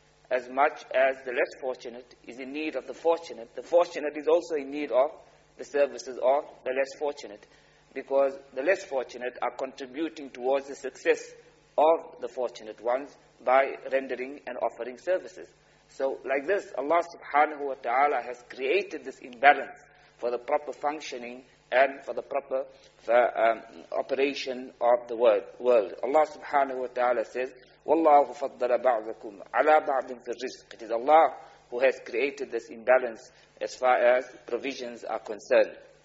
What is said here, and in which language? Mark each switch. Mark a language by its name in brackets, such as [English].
[English] As much as the less fortunate is in need of the fortunate is also in need of the services of the less fortunate, because the less fortunate are contributing towards the success of the fortunate ones by rendering and offering services. So like this, Allah subhanahu wa ta'ala has created this imbalance for the proper functioning and for the proper operation of the world. Allah subhanahu wa ta'ala says, [Arabic] وَاللَّهُ فَضَّلَ بَعْضَكُمْ عَلَىٰ بَعْضٍ فِي الرِّزْقِ. [English] It is Allah who has created this imbalance as far as provisions are concerned.